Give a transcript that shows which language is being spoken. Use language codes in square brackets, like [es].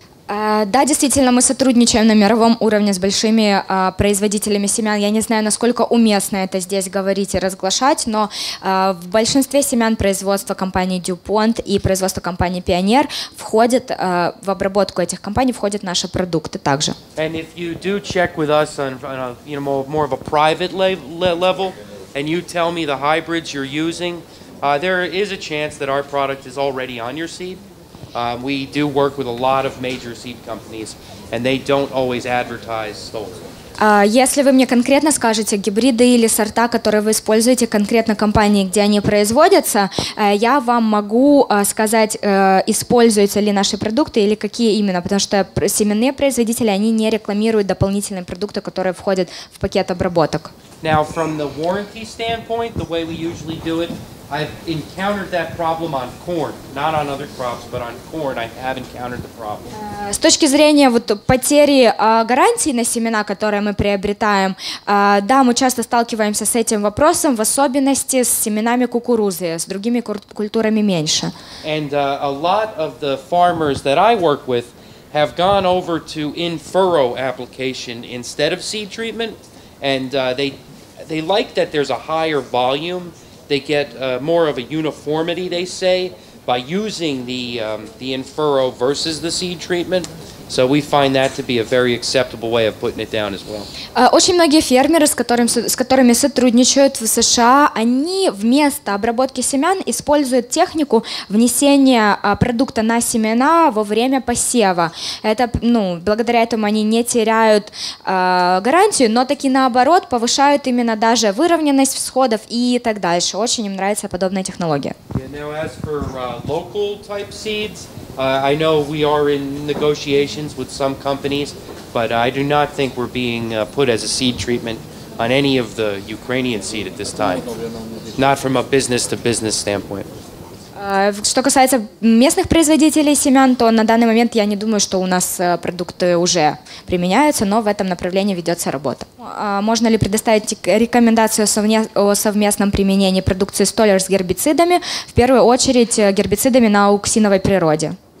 [ru] Да, действительно, мы сотрудничаем на мировом уровне с большими производителями семян. Я не знаю, насколько уместно это здесь говорить и разглашать, но в большинстве семян производства компании DuPont и производства компании Pioneer входит в обработку этих компаний, входят наши продукты также. [en] And if you do check with us on a, you know, more of a private level, and you tell me the hybrids you're using, there is a chance that our product is already on your seed. We do work with a lot of major seed companies, and they don't always advertise stolen. [ru] Если вы мне конкретно скажете гибриды или сорта, которые вы используете конкретно компании, где они производятся, я вам могу сказать, используются ли наши продукты или какие именно, потому что семенные производители, они не рекламируют дополнительные продукты, которые входят в пакет обработок. [en] Now, from the warranty standpoint, the way we usually do it, I've encountered that problem on corn, not on other crops, but on corn I have encountered the problem. [ru] С точки зрения вот потери гарантии на семена, которые мы приобретаем, да, мы часто сталкиваемся с этим вопросом, в особенности с семенами кукурузы, с другими культурами меньше. [en] And a lot of the farmers that I work with have gone over to in-furrow application instead of seed treatment, and they like that there's a higher volume. They get more of a uniformity, they say, by using the in-furrow versus the seed treatment. So we find that to be a very acceptable way of putting it down as well. [ru] Очень многие фермеры, с которыми сотрудничают в США, они вместо обработки семян используют технику внесения продукта на семена во время посева. Это, ну, благодаря этому они не теряют гарантию, но таки наоборот повышают именно даже выровненность всходов и так дальше. Очень им нравится подобная технология. [en] Yeah, now as for local type seeds, I know we are in negotiations with some companies, but I do not think we're being put as a seed treatment on any of the Ukrainian seed at this time. Not from a business-to-business standpoint. [ru] Что касается местных производителей семян, то на данный момент я не думаю, что у нас продукты уже применяются, но в этом направлении ведется работа. Можно ли предоставить рекомендацию о совместном применении продукции Stoller с гербицидами, в первую очередь гербицидами на ауксиновой природе?